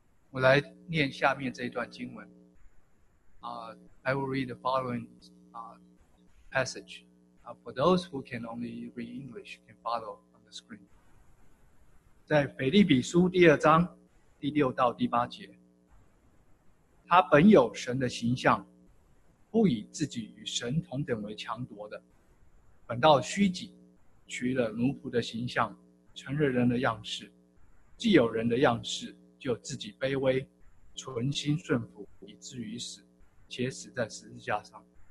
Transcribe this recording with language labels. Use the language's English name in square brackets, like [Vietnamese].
[Chinese] 我来念下面这一段经文。 [English] I will read the following passage. For those who can only read English, can follow on the screen. [Chinese] 在腓立比书第二章第六到第八节，他本有神的形象，不以自己与神同等为强夺的，反倒虚己，取了奴仆的形象，成了人的样式，既有人的样式，就自己卑微，存心顺服，以至于死，且死在十字架上。